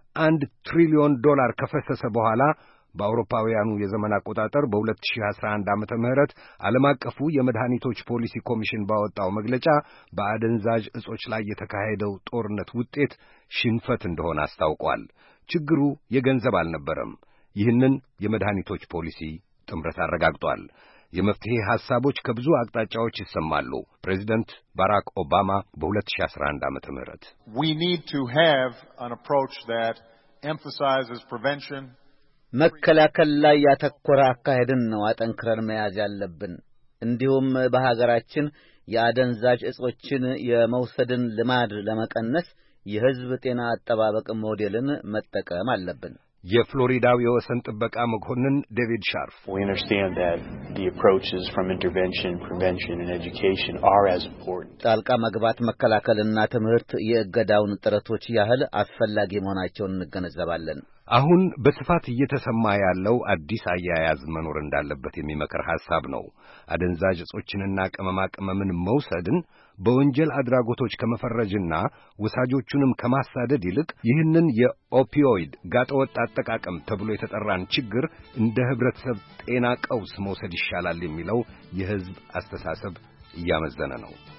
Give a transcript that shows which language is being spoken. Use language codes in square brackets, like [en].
[am] 1 ትሪሊዮን ዶላር ከፈሰሰ በኋላ በአውሮፓውያኑ የዘመን አቆጣጠር በ2011 ዓመተ ምህረት ዓለም አቀፉ የመድኃኒቶች ፖሊሲ ኮሚሽን ባወጣው መግለጫ በአደንዛዥ እጾች ላይ የተካሄደው ጦርነት ውጤት ሽንፈት እንደሆነ አስታውቋል። ችግሩ የገንዘብ አልነበረም። ይህንን የመድኃኒቶች ፖሊሲ ጥምረት አረጋግጧል። የመፍትሄ ሐሳቦች ከብዙ አቅጣጫዎች ይሰማሉ። ፕሬዚደንት ባራክ ኦባማ በ2011 ዓመተ ምህረት [en] We need to have an approach that emphasizes prevention. [am] መከላከል ላይ ያተኮረ አካሄድን ነው አጠንክረን መያዝ ያለብን። እንዲሁም በሀገራችን የአደንዛዥ እጾችን የመውሰድን ልማድ ለመቀነስ የህዝብ ጤና አጠባበቅ ሞዴልን መጠቀም አለብን። የፍሎሪዳው የወሰን ጥበቃ መኮንን ዴቪድ ሻርፍ [en] We understand that the approaches from intervention, prevention and education are as important. [am] ጣልቃ መግባት መከላከልና ትምህርት የእገዳውን ጥረቶች ያህል አስፈላጊ መሆናቸውን እንገነዘባለን። አሁን በስፋት እየተሰማ ያለው አዲስ አያያዝ መኖር እንዳለበት የሚመከር ሐሳብ ነው። አደንዛዥ እጾችንና ቅመማ ቅመምን መውሰድን በወንጀል አድራጎቶች ከመፈረጅና ወሳጆቹንም ከማሳደድ ይልቅ ይህንን የኦፒዮይድ ጋጠወጥ አጠቃቀም ተብሎ የተጠራን ችግር እንደ ህብረተሰብ ጤና ቀውስ መውሰድ ይሻላል የሚለው የህዝብ አስተሳሰብ እያመዘነ ነው።